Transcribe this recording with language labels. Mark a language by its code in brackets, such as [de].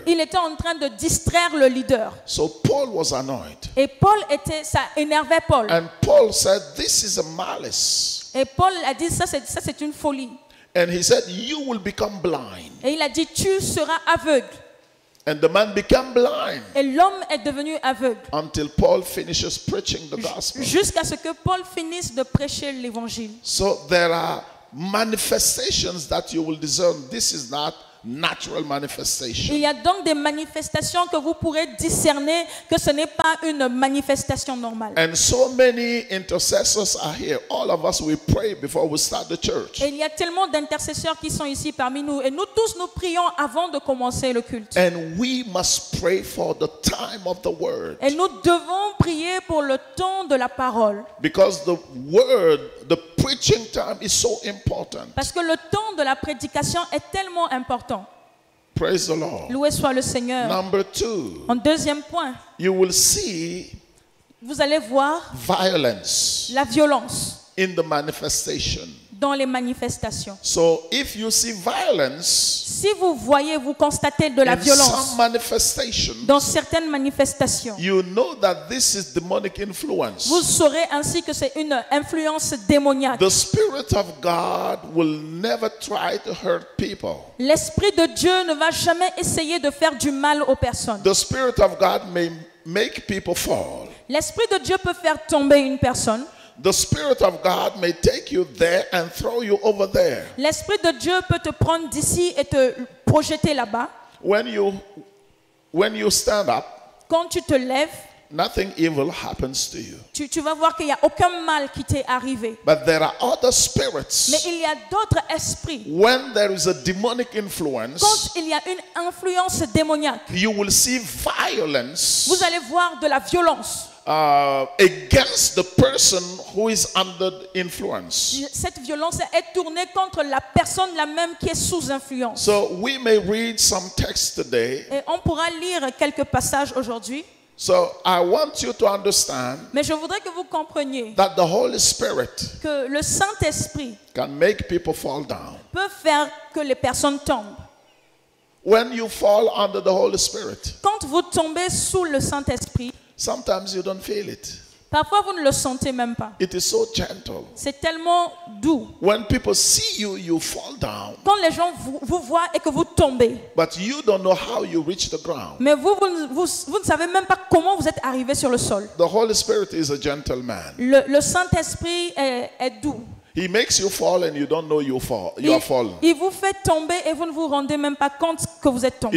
[fr] Il était en train de distraire le leader. [en] So Paul was annoyed. [fr] Et Paul était, ça énervait Paul. [en] And Paul said, "This is a malice." [fr] Et Paul a dit, ça c'est une folie. [en] And he said, "You will become blind." [fr] Et il a dit, tu seras aveugle. [en] And the man became blind. [fr] Et l'homme est devenu aveugle. [en] Until Paul finishes preaching the gospel. [fr] Jusqu'à ce que Paul finisse de prêcher l'évangile. [en] So there are manifestations that you will discern. This is not natural manifestation. [fr] Il y a donc des manifestations que vous pourrez discerner que ce n'est pas une manifestation normale. [en] And so many intercessors are here. All of us, we pray before we start the church. [fr] Et il y a tellement d'intercesseurs qui sont ici parmi nous et nous tous nous prions avant de commencer le culte. [en] And we must pray for the time of the word. [fr] Et nous devons prier pour le temps de la parole. [en] Because the word, the preaching time is so important. [fr] Parce que le temps de la prédication est tellement important. [en] Praise the Lord. [fr] Loué soit le Seigneur. [en] Number two. [fr] En deuxième point. [en] You will see. [fr] Vous allez voir. [en] Violence. [fr] La violence. [en] In the manifestation. [fr] Dans les manifestations. [en] So if you see violence. [fr] Si vous voyez, vous constatez de la violence. [en] In some manifestations. [fr] Dans certaines manifestations. [en] You know that this is demonic influence. [fr] Vous saurez ainsi que c'est une influence démoniaque. [en] The Spirit of God will never try to hurt people. [fr] L'Esprit de Dieu ne va jamais essayer de faire du mal aux personnes. [en] The Spirit of God may make people fall. [fr] L'Esprit de Dieu peut faire tomber une personne. [en] The Spirit of God may take you there and throw you over there. [fr] L'Esprit de Dieu peut te prendre d'ici et te projeter là-bas. [en] When you stand up, [fr] quand tu te lèves, [en] nothing evil happens to you. [fr] Tu vas voir qu'il n'y a aucun mal qui t'est arrivé. [en] But there are other spirits. [fr] Mais il y a d'autres esprits. [en] When there is a demonic influence, [fr] quand il y a une influence démoniaque, [en] you will see violence. [fr] Vous allez voir de la violence. [en] Against the person who is under influence. [fr] Cette violence est tournée contre la personne la même qui est sous influence. [en] So we may read some text today. [fr] Et on pourra lire quelques passages aujourd'hui. [en] So I want you to understand. [fr] Mais je voudrais que vous compreniez [en] that the Holy Spirit [fr] que le Saint-Esprit [en] can make people fall down. [fr] Peut faire que les personnes tombent. [en] When you fall under the Holy Spirit. [fr] Quand vous tombez sous le Saint-Esprit. [en] Sometimes you don't feel it. [fr] Parfois vous ne le sentez même pas. [en] It is so gentle. [fr] C'est tellement doux. [en] When people see you, you fall down. [fr] Quand les gens vous voient et que vous tombez. [en] But you don't know how you reach the ground. [fr] Mais vous ne savez même pas comment vous êtes arrivé sur le sol. [en] The Holy Spirit is a gentleman. [fr] Le Saint-Esprit est doux. [en] He makes you fall and you don't know you fall. You are fallen. [fr] Il vous fait tomber et vous ne vous rendez même pas compte que vous êtes tombé.